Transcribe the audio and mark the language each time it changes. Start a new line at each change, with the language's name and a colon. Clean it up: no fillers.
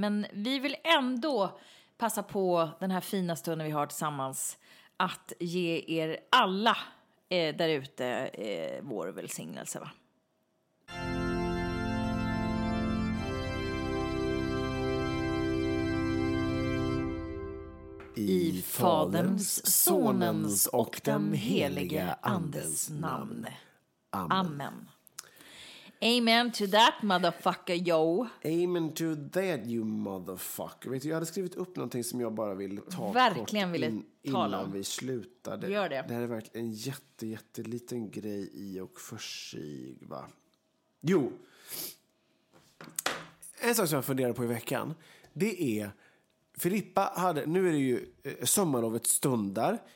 Swedish: Men vi vill ändå passa på den här fina stunden vi har tillsammans att ge er alla där ute vår välsignelse, va? I Faderns, Sonens och den helige Andens namn. Amen.
English: Amen to that, motherfucker, yo. Amen to that, you motherfucker.
Swedish: Vet du, jag hade skrivit upp någonting som jag bara ville ta verkligen kort ville innan tala om. Vi slutade. Gör det. Det här är verkligen en jätteliten grej i och för sig, va? Jo. En sak som jag funderar på i veckan, det är Filippa hade, nu är det ju sommarlovet stundar.